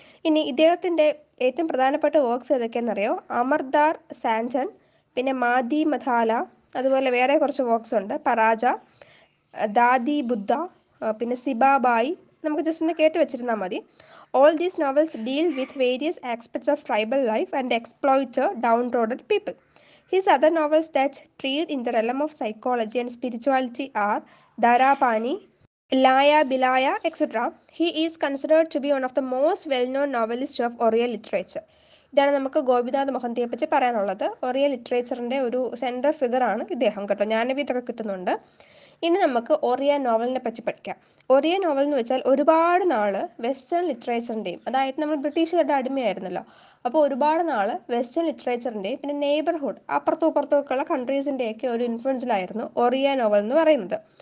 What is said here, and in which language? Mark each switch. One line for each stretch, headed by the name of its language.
Malayalam: ഇനി ഇദ്ദേഹത്തിൻ്റെ ഏറ്റവും പ്രധാനപ്പെട്ട വർക്ക്സ് ഏതൊക്കെയെന്നറിയോ? അമർദാർ സാഞ്ചൻ, പിന്നെ മാദി മഥാല, അതുപോലെ വേറെ കുറച്ച് വർക്ക്സ് ഉണ്ട്. പരാജ, ദാദി ബുദ്ധ, പിന്നെ സിബാബായി. നമുക്ക് ജസ്റ്റ് ഒന്ന് കേട്ട് വെച്ചിരുന്നാൽ മതി.
English: All these novels deal with various aspects of tribal life and exploited downtrodden people. His other novels that treat in the realm of psychology and spirituality are Dharapani, Laya Bilaya, etc. He is considered to be one of the most well-known novelists of Oriya literature.
Malayalam: ഇതാണ് നമുക്ക് ഗോപിനാഥ് മൊഹന്തിയെ പറ്റി പറയാനുള്ളത്. ഒറിയ ലിറ്ററേച്ചറിൻ്റെ ഒരു central figure ആണ് ഇദ്ദേഹം കേട്ടോ. ജ്ഞാനവീതൊക്കെ കിട്ടുന്നുണ്ട്. ഇനി നമുക്ക് ഒറിയ നോവലിനെ പറ്റി പഠിക്കാം. ഒറിയ നോവൽ എന്ന് വെച്ചാൽ ഒരുപാട് നാള് വെസ്റ്റേൺ ലിറ്ററേച്ചറിൻ്റെയും, അതായത് നമ്മൾ ബ്രിട്ടീഷുകാരുടെ അടിമയായിരുന്നല്ലോ, അപ്പോൾ ഒരുപാട് നാള് വെസ്റ്റേൺ ലിറ്ററേച്ചറിൻ്റെയും പിന്നെ നെയ്ബർഹുഡ് അപ്പുറത്തും അപ്പുറത്തൊക്കെയുള്ള കൺട്രീസിൻ്റെയൊക്കെ ഒരു ഇൻഫ്ലുവൻസിലായിരുന്നു ഒറിയ നോവൽ എന്ന് പറയുന്നത്.